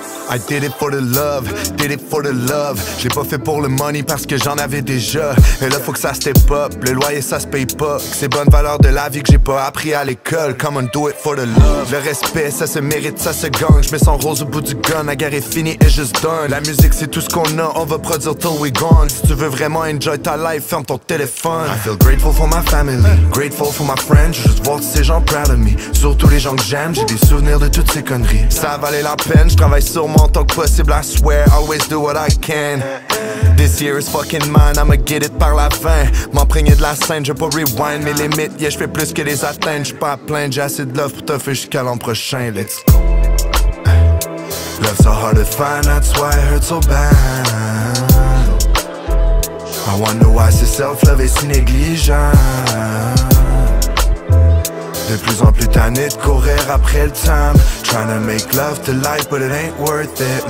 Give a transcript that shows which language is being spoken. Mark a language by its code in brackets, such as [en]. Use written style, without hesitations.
[en] I did it for the love, did it for the love. [fr] J'ai pas fait pour le money parce que j'en avais déjà. Et là faut que ça [en] step up, [fr] le loyer ça se paye pas. C'est bonne valeur de la vie que j'ai pas appris à l'école. [en] Come on, do it for the love. [fr] Le respect ça se mérite, ça se gagne. J'mets son rose au bout du gun, la guerre est finie et [en] just done. [fr] La musique c'est tout ce qu'on a, on va produire [en] till we gone. [fr] Si tu veux vraiment enjoy ta life, ferme ton téléphone. [en] I feel grateful for my family, grateful for my friends. [fr] J'veux juste voir tous ces gens [en] proud of me. [fr] Surtout les gens que j'aime, j'ai des souvenirs de toutes ces conneries. Ça valait la peine, j'travaille sur en tant que possible, [en] I swear, always do what I can. This year is fucking mine, I'ma get it [fr] par la fin. M'emprégner de la scène, je peux rewind mes limites. Yeah, j'fais plus que les atteintes, j'suis pas à plaindre. J'ai assez de love pour te faire jusqu'à l'an prochain. [en] Let's go. Love's so hard to find, that's why it hurts so bad. I wonder why [fr] c'est self-love et si négligeable. De plus en plus tanné de courir après le time. [en] Tryna make love to life, but it ain't worth it.